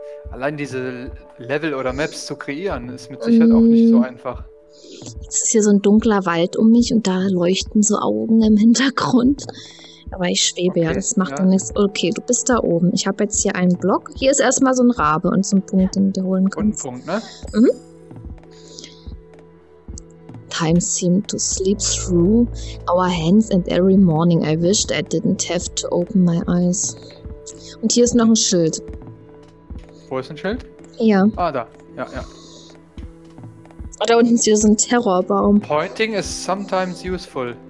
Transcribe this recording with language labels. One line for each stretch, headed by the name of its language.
German: Allein diese Level oder Maps zu kreieren, ist mit Sicherheit auch nicht so einfach. Es ist hier so ein dunkler Wald um mich und da leuchten so Augen im Hintergrund. Aber ich schwebe, okay, ja, das macht dann nichts. Okay, du bist da oben. Ich habe jetzt hier einen Block. Hier ist erstmal so ein Rabe und so ein Punkt, den du holen kannst. Und ein Punkt, ne? Mhm.
English: Time seemed to sleep through our hands and every morning I wished I didn't have to open my eyes.
German: Und hier ist noch ein Schild. Wo ist ein Schild? Ja. Ah, da. Ja, ja. Oh, da unten ist hier so ein Terrorbaum.
English: Pointing is sometimes useful.